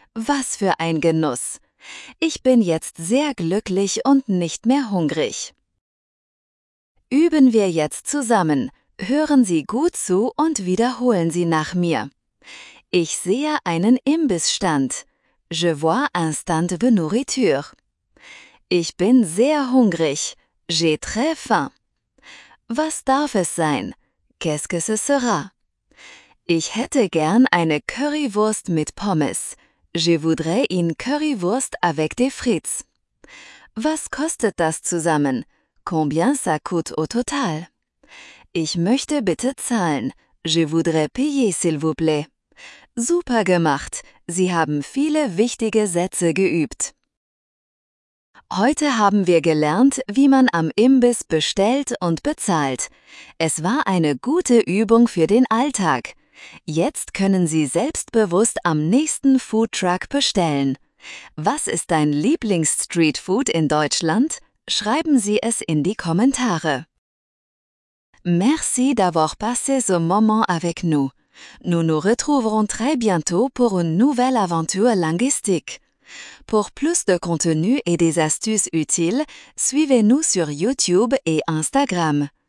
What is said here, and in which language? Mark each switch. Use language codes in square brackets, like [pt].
[de] Was für ein Genuss! Ich bin jetzt sehr glücklich und nicht mehr hungrig. Üben wir jetzt zusammen. Hören Sie gut zu und wiederholen Sie nach mir. Ich sehe einen Imbissstand. [fr] Je vois un stand de nourriture. [de] Ich bin sehr hungrig. [fr] J'ai très faim. [de] Was darf es sein? [fr] Qu'est-ce que ce sera? [de] Ich hätte gern eine Currywurst mit Pommes. [fr] Je voudrais une Currywurst avec des frites. [de] Was kostet das zusammen? [fr] Combien ça coûte au total? [de] Ich möchte bitte zahlen. [fr] Je voudrais payer, s'il vous plaît. [de] Super gemacht! Sie haben viele wichtige Sätze geübt. Heute haben wir gelernt, wie man am Imbiss bestellt und bezahlt. Es war eine gute Übung für den Alltag. Jetzt können Sie selbstbewusst am nächsten Foodtruck bestellen. Was ist dein Lieblings-Streetfood in Deutschland? Schreiben Sie es in die Kommentare. [fr] Merci d'avoir passé ce moment avec nous. Nous nous retrouverons très bientôt pour une nouvelle aventure linguistique. Pour plus de contenu et des astuces utiles, suivez-nous sur YouTube et Instagram.